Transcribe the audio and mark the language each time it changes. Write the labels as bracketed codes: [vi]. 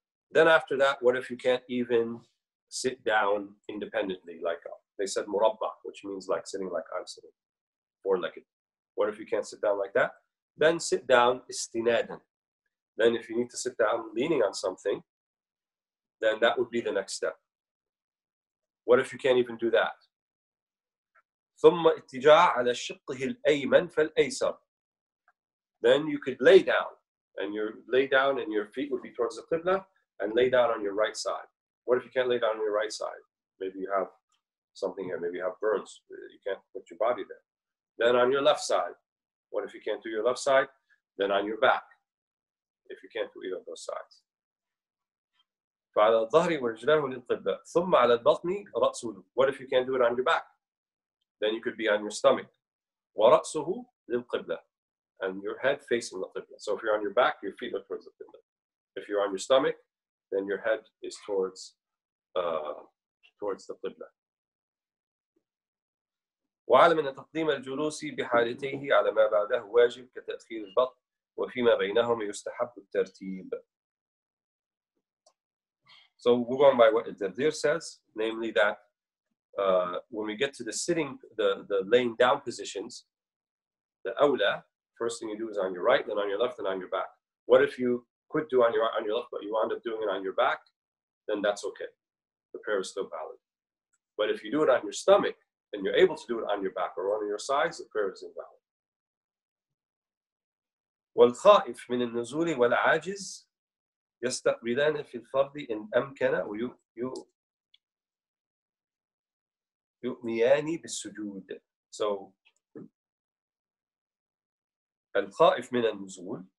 [en] Then after that, what if you can't even sit down independently, like they said murabba, which means like sitting like I'm sitting, four-legged. What if you can't sit down like that? Then sit down istinadan. Then if you need to sit down leaning on something, then that would be the next step. What if you can't even do that? [ar] ثم اتجاع على شقه الأيمن فالأيسر. [en] Then you could lay down, and you lay down, and your feet would be towards the qibla, and lay down on your right side. What if you can't lay down on your right side? Maybe you have something here. Maybe you have burns. You can't put your body there. Then on your left side. What if you can't do your left side? Then on your back. If you can't do either of those sides. [ar] فعلى الظهر ورجله للقبلة ثم على البطن رأسه. [en] What if you can't do it on your back? Then you could be on your stomach. [ar] ورأسه للقبلة. [en] And your head facing the qibla. So if you're on your back, your feet are towards the qibla. If you're on your stomach, then your head is towards the qibla. [ar] وعلم أن تقديم الجلوس بحالتيه على ما بعده واجب كتأخير البطن وفيما بينهما يستحب الترتيب. [en] So we're going by what Al-Dirdir says, namely that when we get to the sitting, the laying down positions, the awla, first thing you do is on your right, then on your left, then on your back. What if you could do on your left, but you wind up doing it on your back? Then that's okay. The prayer is still valid. But if you do it on your stomach, and you're able to do it on your back or on your sides, the prayer is invalid. [ar] والخائف من النزول والعاجز يستقبلان في الفرض إن أمكن ويؤمنان بالسجود. [en] So, [ar] الخائف من النزول.